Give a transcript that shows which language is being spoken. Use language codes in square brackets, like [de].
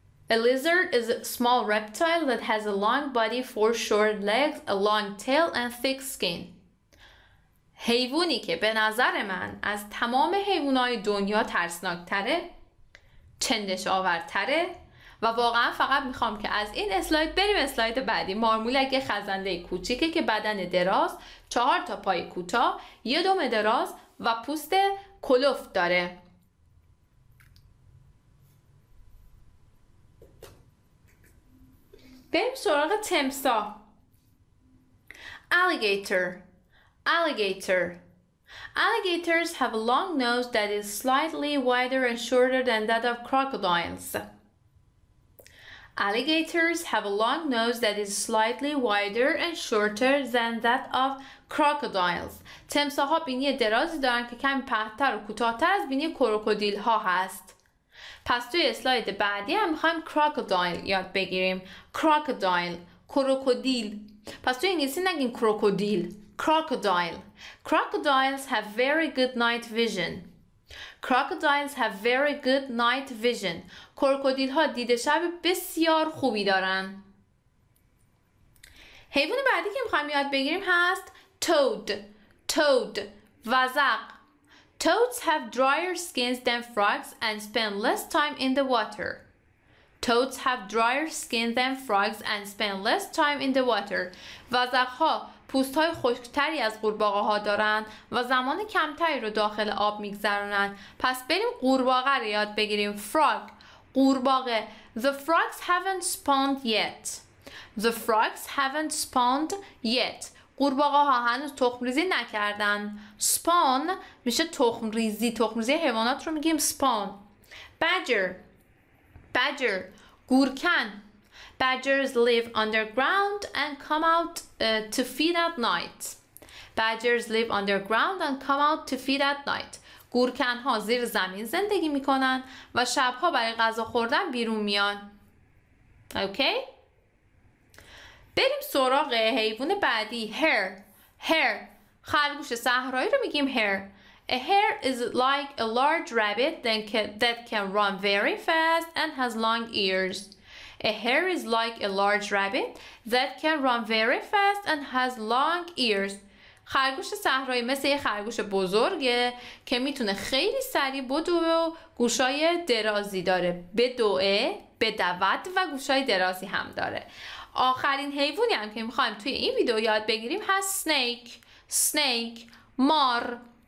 [en] A lizard is a small reptile that has a long body, four short legs, a long tail and thick skin. [fa] حیوانی که به نظر من از تمام حیوانات دنیا ترسناک‌تره، چندش آورتره و واقعا فقط میخوام که از این اسلاید بریم اسلاید بعدی. مارمولک خزنده کوچیکه که بدن دراز، چهار تا پای کوتاه، یه دم دراز و پوست کلفت داره. بریم سراغ تمسا. Alligator. Alligator. [en] Alligators have a long nose that is slightly wider and shorter than that of crocodiles. Alligators have a long nose that is slightly wider and shorter than that of crocodiles. [fa] تمساها بینی درازی دارن که کمی پهن‌تر و کوتاه‌تر از بینی کروکودیل‌ها هست. پس توی اسلاید بعدی هم می‌خوایم کروکودایل یاد بگیریم. کروکودایل، کروکودیل. پس توی انگلیسی نگیم کروکودیل، کروکودایل. [en] Crocodiles have very good night vision. Crocodiles have very good night vision. [fa] کروکودیل ها دید شب بسیار خوبی دارن. حیوان بعدی که میخوایم یاد بگیریم هست Toad. Toad. وزغ. [en] Toads have drier skins than frogs and spend less time in the water. Toads have drier skin than frogs and spend less time in the water. [fa] وزغ ها پوست های خشکتری از قورباغه ها دارن و زمان کمتری رو داخل آب میگذرونن. پس بریم قورباغه رو یاد بگیریم. [en] Frog. قورباغه. The frogs haven't spawned yet. The frogs haven't spawned yet. [fa] قورباغه ها هنوز تخم ریزی نکردن. Spawn میشه تخم ریزی. تخم ریزی حیوانات رو میگیم spawn. [en] Badger. Badger. گورکن. Badgers live underground and come out to feed at night. Badgers live underground and come out to feed at night. [fa] گورکن‌ها زیر زمین زندگی می‌کنن و شب‌ها برای غذا خوردن بیرون میان. اوکی؟ بریم سراغ حیوان بعدی، هر. هر، خرگوش صحرایی رو میگیم هر. [en] A hare is like a large rabbit that can run very fast and has long ears. A hare is like a large rabbit that can run very fast and has long ears. [fa] خرگوش صحرایی مثل یه خرگوش بزرگه که میتونه خیلی سریع بدوه و گوشای درازی داره. بدوه، بدود و گوشای درازی هم داره. آخرین حیوانی هم که میخوایم توی این ویدیو یاد بگیریم هست سنیک، مار.